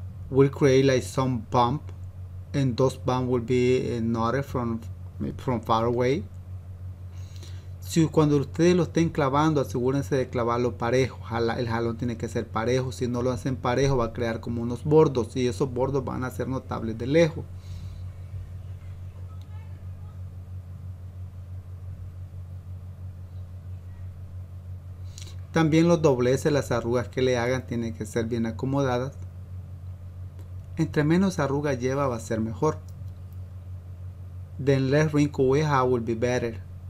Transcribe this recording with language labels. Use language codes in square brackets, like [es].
[en] We'll create like some bump, and those bump will be noted from far away. [es] Si cuando ustedes lo estén clavando, asegúrense de clavarlo parejo. El jalón tiene que ser parejo. Si no lo hacen parejo, va a crear como unos bordos y esos bordos van a ser notables de lejos. También los dobleces, las arrugas que le hagan, tienen que ser bien acomodadas. Entre menos arruga lleva, va a ser mejor. [en] Then less wrinkle we have will be better.